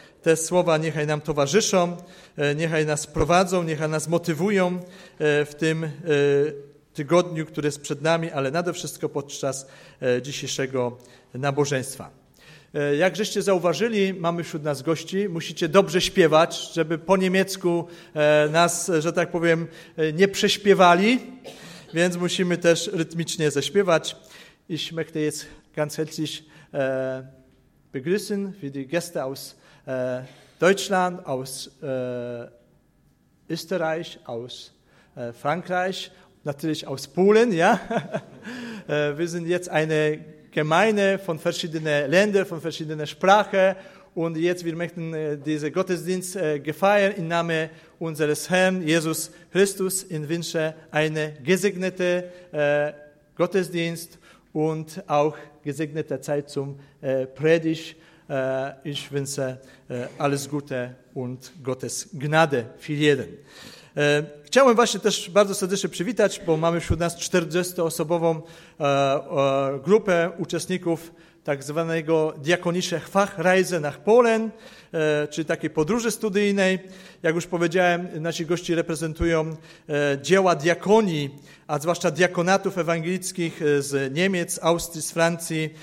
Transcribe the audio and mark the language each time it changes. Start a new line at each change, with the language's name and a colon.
Polish: Te słowa niechaj nam towarzyszą, niechaj nas prowadzą, niechaj nas motywują w tym tygodniu, który jest przed nami, ale nade wszystko podczas dzisiejszego nabożeństwa. Jak żeście zauważyli, mamy wśród nas gości, musicie dobrze śpiewać, żeby po niemiecku nas, że tak powiem, nie prześpiewali, więc musimy też rytmicznie zaśpiewać.
German: Ich möchte jetzt ganz herzlich begrüßen für die Gäste aus Deutschland, aus Österreich, aus Frankreich, natürlich aus Polen. Ja? Wir sind jetzt eine Gemeinde von verschiedenen Ländern, von verschiedenen Sprachen. Und jetzt wir möchten diesen Gottesdienst gefeiern im Namen unseres Herrn Jesus Christus. Ich wünsche einen gesegneten Gottesdienst und auch gesegnete Zeit zum Predigt. Ich wünsche alles Gute und Gottes Gnade für jeden.
Polish: Chciałbym właśnie też bardzo serdecznie przywitać, bo mamy wśród nas 40-osobową grupę uczestników tak zwanego
German: Diakonische Fachreise nach Polen,
Polish: czyli takiej podróży studyjnej. Jak już powiedziałem, nasi gości reprezentują dzieła diakonii, a zwłaszcza diakonatów ewangelickich z Niemiec, Austrii, z Francji.